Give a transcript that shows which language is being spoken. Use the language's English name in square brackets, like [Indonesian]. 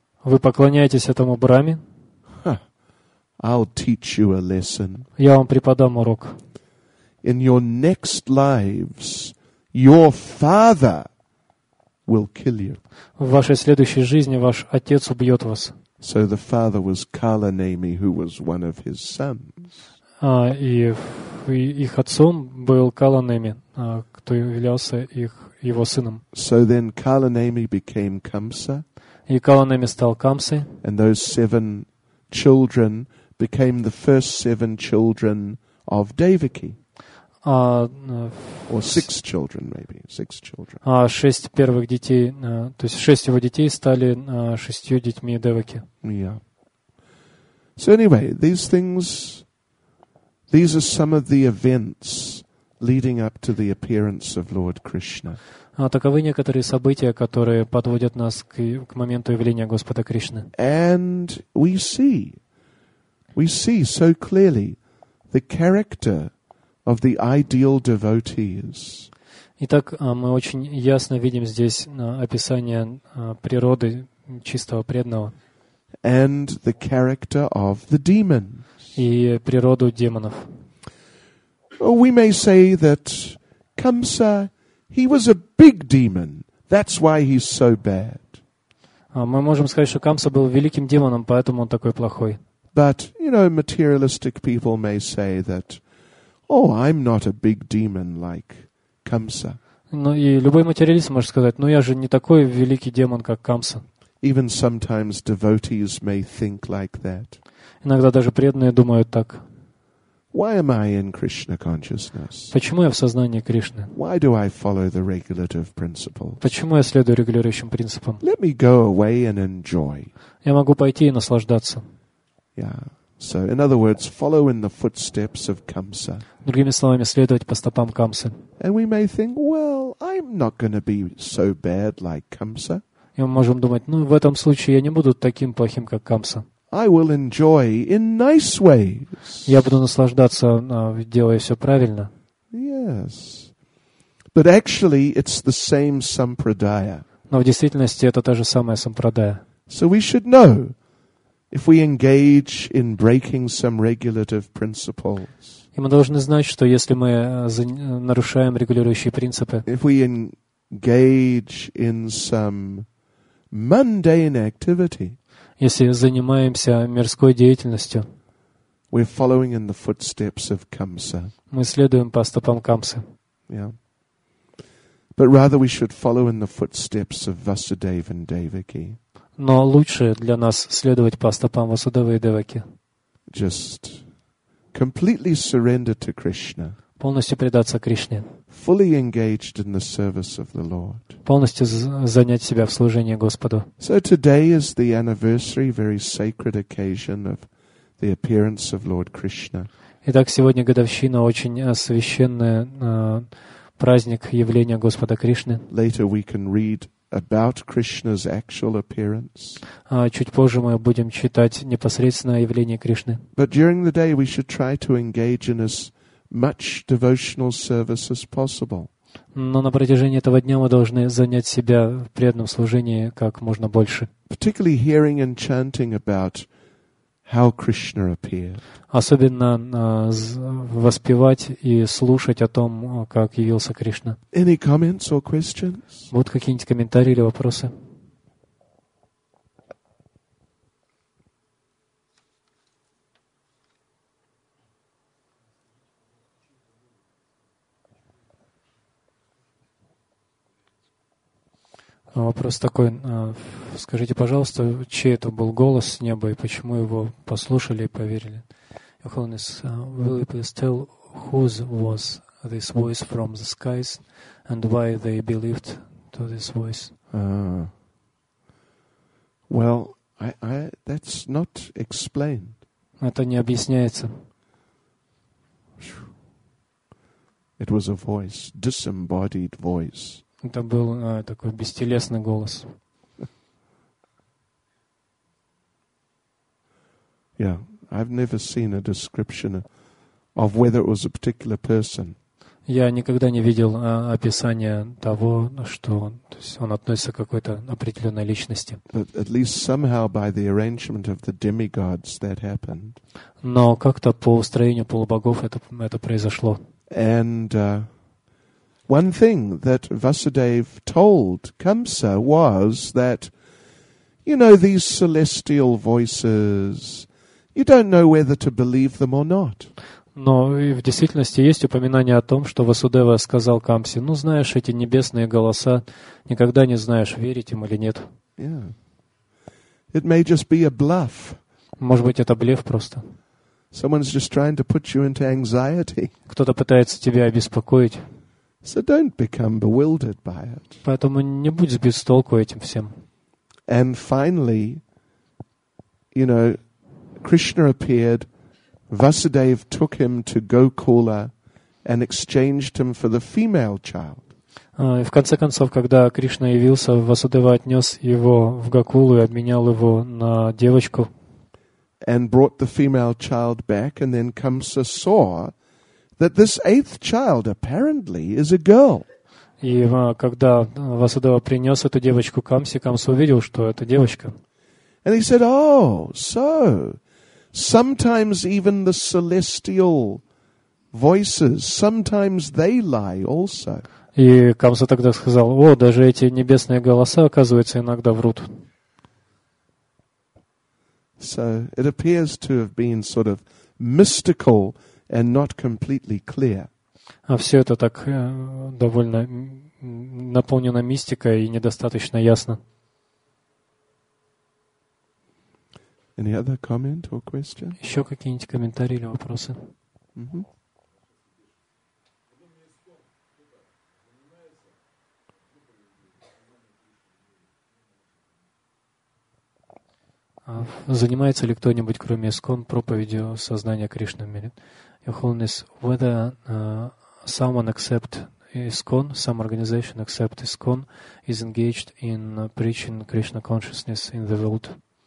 [Russian] Вы поклоняетесь этому Браме. [English] I'll teach you a lesson. [Russian] Я вам преподам урок. [English] In your next lives, your father will kill you. [Russian] В вашей следующей жизни ваш отец убьет вас. [English] So the father was Kalanemi, who was one of his sons. [Russian] И их отцом был Каланеми, кто являлся их его сыном. [English] So then Kalanemi became Kamsa. [Russian] И Каланеми стал Камсой. [English] And those seven children became the first seven children of Devaki. Or six children, maybe. Six children. [Russian] Шесть первых детей, то есть шесть его детей стали шестью детьми Деваки. [English] Yeah. So anyway, these things, these are some of the events leading up to the appearance of Lord Krishna. [Russian] Таковы некоторые события, которые подводят нас к моменту явления Господа Кришны. [English] And we see, we see so clearly the character of the ideal devotees. [Russian] Итак, мы очень ясно видим здесь описание природы чистого преданного. [English] And the character of the demons. [Russian] И природу демонов. [English] Or we may say that Kamsa, he was a big demon. That's why he's so bad. [Russian] Мы можем сказать, что Камса был великим демоном, поэтому он такой плохой. [English] But, you know, materialistic people may say that, oh, I'm not a big demon like Kamsa. [Russian] Ну и любой материалист может сказать, ну я же не такой великий демон, как Камса. [English] Even sometimes devotees may think like that. [Russian] Иногда даже преданные думают так. [English] Why am I in Krishna consciousness? [Russian] Почему я в сознании Кришны? [English] Why do I follow the regulative principles? [Russian] Почему я следую регулирующим принципам? [English] Let me go away and enjoy. [Russian] Я могу пойти и наслаждаться. [English] Yeah. So, in other words, follow in the footsteps of Kamsa. [Russian] Другими словами, следовать по стопам Камсы. [English] And we may think, well, I'm not going to be so bad like Kamsa. [Russian] И мы можем думать, ну, в этом случае я не буду таким плохим, как Камса. [English] I will enjoy in nice ways. [Russian] Я буду наслаждаться, делая все правильно. [English] Yes. But actually, it's the same sampradaya. [Russian] Но в действительности это та же самая сампрадая. [English] So we should know. If we engage in breaking some regulative principles. [Russian] И мы должны знать, что если мы нарушаем регулирующие принципы. [English] If we engage in some mundane activity. [Russian] Если занимаемся мирской деятельностью. [English] We're following in the footsteps of Kamsa. [Russian] Мы следуем по стопам Камсы. [English] Yeah. But rather we should follow in the footsteps of Vasudeva and Devaki. [Russian] Но лучше для нас следовать по стопам Васудевы и Деваки. [English] Just completely surrender to Krishna. [Russian] Полностью предаться Кришне. [English] Fully engaged in the service of the Lord. [Russian] Полностью занять себя в служении Господу. [English] So today is the anniversary, very sacred occasion of the appearance of Lord Krishna. [Russian] Итак, сегодня годовщина, очень священный праздник явления Господа Кришны. [English] Later we can read about Krishna's actual appearance. [Russian] Чуть позже мы будем читать непосредственно о явлении Кришны. [English] But during the day we should try to engage in as much devotional service as possible. [Russian] Но на протяжении этого дня мы должны занять себя в преданном служении как можно больше. [English] Particularly hearing and chanting about how Krishna appeared. [Russian] Особенно воспевать и слушать о том, как явился Кришна. [English] Any comments or questions? [Russian] Вот какие-нибудь комментарии или вопросы? Вопрос такой, скажите, пожалуйста, чей это был голос с неба и почему его послушали и поверили? [English] Your Holiness, will you please tell whose was this voice from the skies and why they believed to this voice? Well, I that's not explained. [Russian] Это не объясняется. [English] It was a voice, disembodied voice. [Russian] Это был такой бестелесный голос. [English] Yeah, I've never seen a description of whether it was a particular person. [Russian] Я никогда не видел описание того, что он относится к какой-то определенной личности. [English] But at least somehow by the arrangement of the demigods that happened. [Russian] Но как-то по устроению полубогов это произошло. [English] And one thing that Vasudev told Kamsa was that, you know, these celestial voices, you don't know whether to believe them or not. [Russian] Но в действительности есть упоминание о том, что Васудева сказал Камсе, ну, знаешь, эти небесные голоса, никогда не знаешь, верить им или нет. [English] Yeah. It may just be a bluff. [Russian] Может быть, это блеф просто. [English] Someone's just trying to put you into anxiety. [Russian] Кто-то пытается тебя обеспокоить. [English] So don't become bewildered by it. [Russian] Поэтому не будь сбит с толку этим всем. [English] And finally, you know, Krishna appeared. Vasudev took him to Gokula and exchanged him for the female child. [Russian] В конце концов, когда Кришна явился, Васудева отнес его в Гокулу и обменял его на девочку. [English] And brought the female child back, and then Kamsa saw that this eighth child apparently is a girl. [Russian] И когда Васудева принес эту девочку Камсе, Камса увидел, что это девочка. [English] And he said, "Oh, so sometimes even the celestial voices, sometimes they lie also." [Russian] И Камса тогда сказал: "О, даже эти небесные голоса, оказывается, иногда врут." [English] So it appears to have been sort of mystical and not completely clear. [Russian] А все это так довольно наполнено мистикой и недостаточно ясно. [English] Any other comment or question? [Russian] Еще какие-нибудь комментарии или вопросы? Занимается ли кто-нибудь, кроме ИСКОН, проповедью сознания Кришны в мире? [English] Your Holiness, whether someone accept ISKCON, some organization accept ISKCON, is engaged in preaching Krishna consciousness in the world?